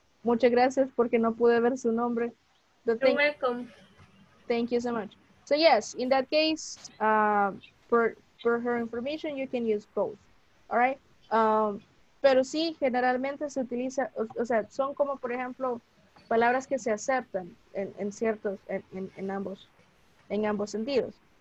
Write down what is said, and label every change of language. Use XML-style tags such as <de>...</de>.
<es>Muchas gracias porque no pude ver su nombre.</es> <en>You're welcome. Thank you so much. So yes, in that case, per her information, you can use both. All right?</en> <es>Pero sí, generalmente se utiliza, o sea, son como, por ejemplo, palabras que se aceptan en ambos sentidos.</es>